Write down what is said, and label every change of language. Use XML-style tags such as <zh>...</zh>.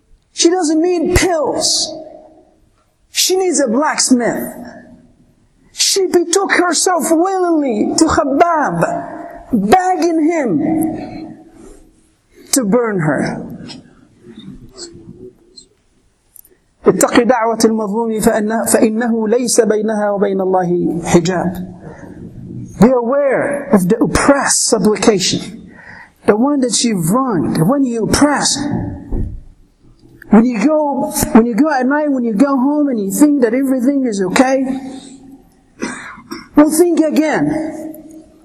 <en>She doesn't need pills. She needs a blacksmith. She betook herself willingly to Khabbab, begging him to burn her.</en> <ar>اتقي دعوة المظلوم فإنه ليس بينها وبين الله حجاب.</ar> <en>Be aware of the oppressed supplication. The one that you've wronged, the one you oppress. When you go at night, when you go home and you think that everything is okay, well, think again.</en>